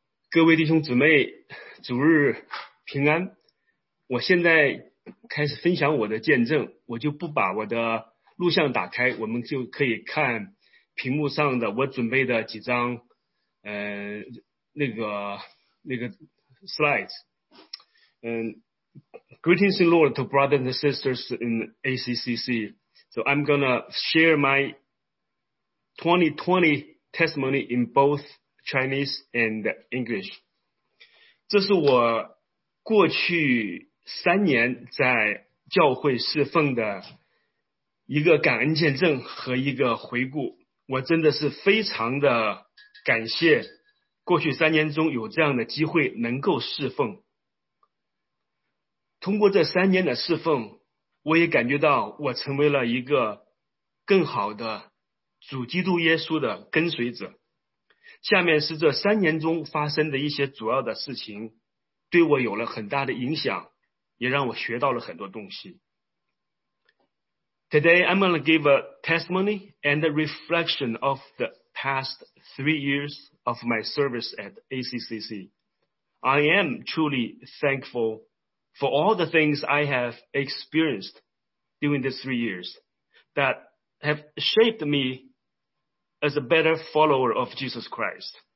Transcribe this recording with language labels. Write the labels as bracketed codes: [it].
[zh] 各位弟兄姊妹，主日平安。我现在开始分享我的见证，我就不把我的录像打开，我们就可以看屏幕上的我准备的几张那个 slides。 [en] Greetings in Lord to brothers and sisters in ACCC. So I'm gonna share my 2020 testimony in bothChinese and English. [zh] 这是我过去三年在教会侍奉的一个感恩见证和一个回顾。我真的是非常的感谢过去三年中有这样的机会能够侍奉。通过这三年的侍奉，我也感觉到我成为了一个更好的主基督耶稣的跟随者。下面是这三年中发生的一些主要的事情，对我有了很大的影响，也让我学到了很多东西。 [en] Today I'm going to give a testimony and a reflection of the past 3 years of my service at ACCC. I am truly thankful for all the things I have experienced during these 3 years that have shaped meas a better follower of Jesus Christ.